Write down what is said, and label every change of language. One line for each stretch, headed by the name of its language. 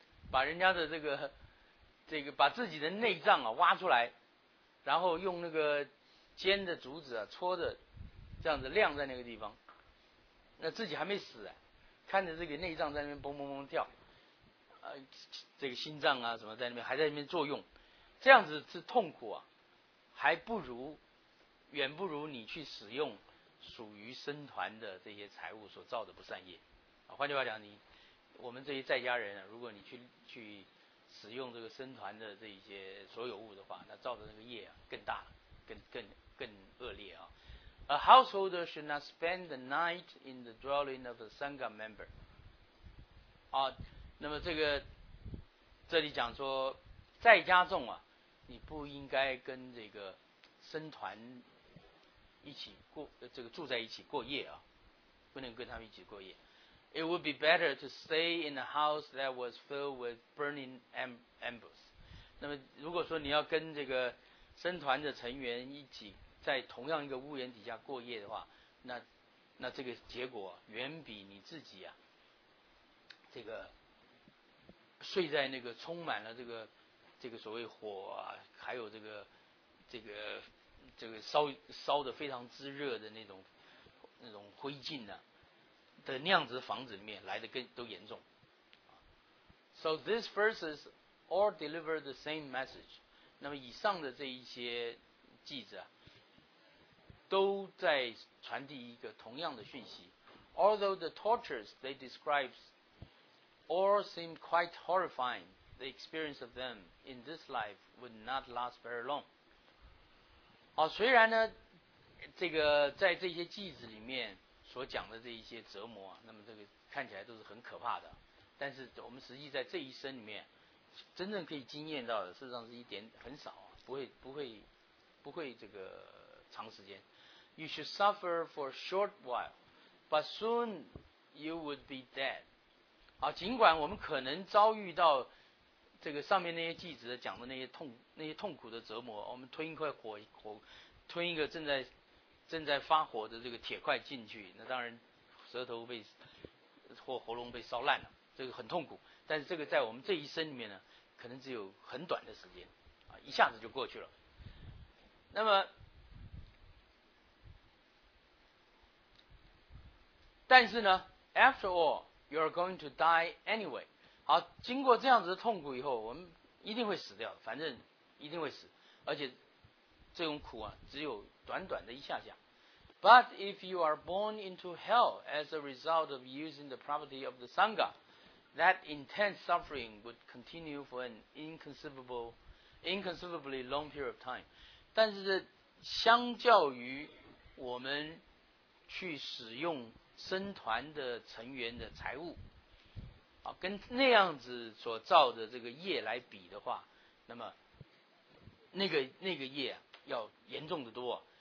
Chinese: 把人家的这个把自己的内脏啊挖出来，然后用那个尖的竹子啊戳着，这样子晾在那个地方，那自己还没死、啊、看着这个内脏在那边蹦蹦蹦跳，这个心脏啊什么在那边还在那边作用，这样子是痛苦啊，还不如远不如你去使用属于僧团的这些财物所造的不善业。换句话讲，我们这些在家人、啊、如果你去使用这个僧团的这一些所有物的话，那造的那个业、啊、更大更恶劣啊。
English: A householder should not spend the night in the dwelling of a Sangha member。
Chinese: 啊，那么这里讲说在家众啊，你不应该跟这个僧团一起过这个住在一起过夜啊，不能跟他们一起过夜。
English: It would be better to stay in a house that was filled with burning embers.
Chinese: 那么如果说你要跟这个僧团的成员一起在同样一个屋檐底下过夜的话，那这个结果远比你自己啊这个睡在那个充满了这个所谓火啊，还有这个烧得非常炙热的那种灰烬呢、啊。的那样子的房子里面来的更都严重。
English: So these verses all deliver the same message.
Chinese: 那么以上的这一些句子啊，都在传递一个同样的讯息。
English: Although the tortures they describe all seem quite horrifying, the experience of them in this life would not last very long.
Chinese: 好，虽然呢，这个在这些句子里面所讲的这一些折磨，那么这个看起来都是很可怕的，但是我们实际在这一生里面真正可以经验到的事实上是一点很少，不会这个长时间。
English: You should suffer for a short while, but soon you would be dead.
Chinese: 好，尽管我们可能遭遇到这个上面那些记者讲的那些痛苦的折磨，我们吞一块火吞一个正在发火的这个铁块进去，那当然舌头被或喉咙被烧烂了，这个很痛苦，但是这个在我们这一生里面呢可能只有很短的时间啊，一下子就过去了。那么但是呢
English: after all you are going to die anyway。
Chinese: 好，经过这样子的痛苦以后，我们一定会死掉，反正一定会死，而且这种苦啊只有短短的一下下。
English: But if you are born into hell as a result of using the property of the Sangha, that intense suffering would continue for an inconceivably long period of time.
Chinese: 但是相较于我们去使用僧团的成员的财物，啊，跟那样子所造的这个业来比的话，那么那个业，啊，要严重的多，啊。